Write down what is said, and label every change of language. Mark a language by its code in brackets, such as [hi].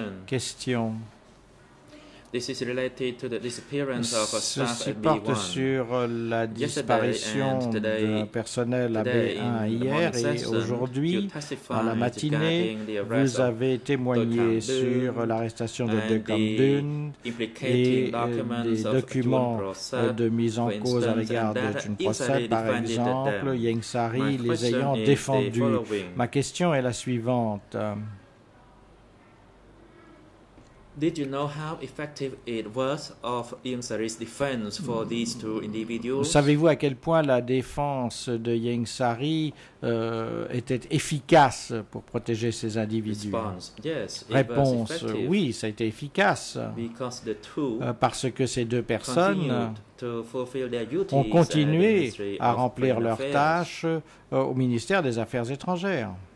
[en] This is related to the disappearance of a staff at B1. [fr] Ceci porte sur la disparition d'un personnel à B1 hier et aujourd'hui, dans la matinée, vous avez témoigné sur l'arrestation de De Kamdun et des documents de mise en cause à l'égard de Chun Prosat, par exemple, Yeng Sari les ayant défendus. Ma question est la suivante. [en] Did you know how effective it was of Yeng Sari's defense for these two individuals? [fr] Savez-vous à quel point la défense de Yeng Sari était efficace pour protéger ces individus? Réponse, oui, ça a été efficace. [en] Because the two [fr] parce que ces deux personnes ont continué à remplir leurs tâches au ministère des Affaires étrangères.